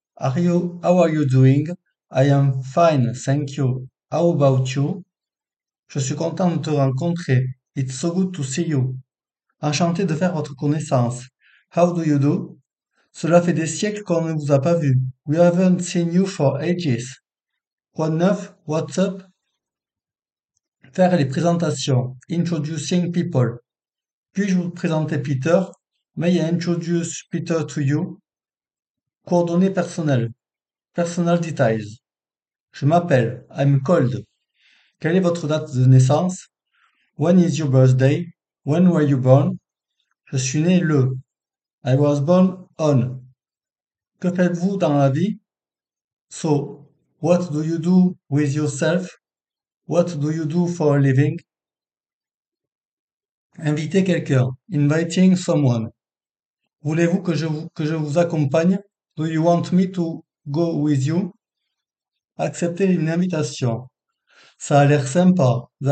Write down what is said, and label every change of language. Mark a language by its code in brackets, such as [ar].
[en] How are you doing? I am fine, thank you. How about you? [fr] Je suis content de te rencontrer. [en] It's so good to see you. [fr] Enchanté de faire votre connaissance. [en] How do you do? [fr] Cela fait des siècles qu'on ne vous a pas vu. [en] We haven't seen you for ages. What neuf? What's up? [fr] Faire les présentations. [en] Introducing people. [fr] Puis-je vous présenter Peter? [en] May I introduce Peter to you? [fr] Coordonnées personnelles. [en] Personal details. [fr] Je m'appelle. [en] I'm called. [fr] Quelle est votre date de naissance? [en] When is your birthday? When were you born? [fr] Je suis né le. [en] I was born on. [fr] Que faites-vous dans la vie? [en] So, what do you do with yourself? What do you do for a living? [fr] Inviter quelqu'un. [en] Inviting someone. [fr] Voulez-vous que je vous accompagne? [en] Do you want me to go with you? [fr] Accepter une invitation. Ça a l'air sympa.